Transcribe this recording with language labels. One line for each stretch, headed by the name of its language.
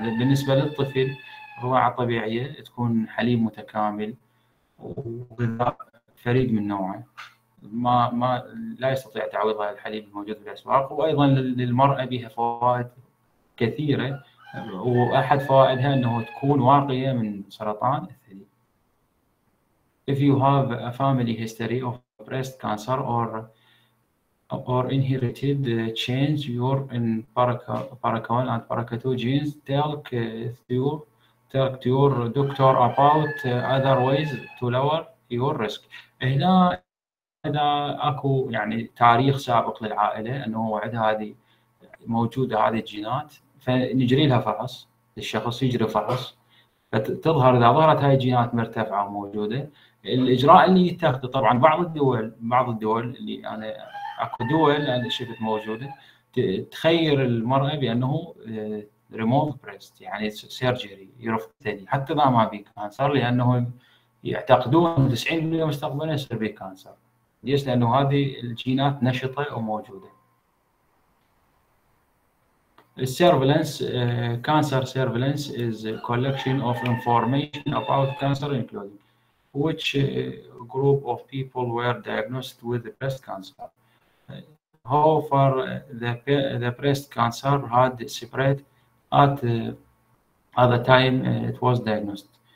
Arabic: بالنسبة للطفل الرضاعة الطبيعية تكون حليب متكامل وغذاء فريد من نوعه، ما لا يستطيع تعويضها الحليب الموجود في الأسواق. وأيضا للمرأة بها فوائد كثيرة، وأحد فوائدها أنه تكون واقية من سرطان الثدي.
English: If you have a family history of breast cancer or inherited change your in paracone and paracato genes, talk to your doctor about other ways to lower your risk.
Arabic: هنا إذا أكو يعني تاريخ سابق للعائلة أنه وعد هذه موجودة هذه الجينات، فنجري لها فحص، الشخص يجري فحص، فتظهر إذا ظهرت هذه الجينات مرتفعة وموجودة، الإجراء اللي يتاخذ. طبعاً بعض الدول اللي أنا أكو دول أنا شفت موجودة تخير المرأة بأنه
English: remove breast
Arabic: يعني surgery يرفض ثاني حتى إذا ما بي كانسر، لأنه يعتقدون 90% مستقبلاً يصير بي كانسر، ليش؟ لأنه هذه الجينات نشطة وموجودة.
English: Surveillance, cancer surveillance is a collection of information about cancer including which group of people were diagnosed with breast cancer. How far the breast cancer had spread at the time it was diagnosed.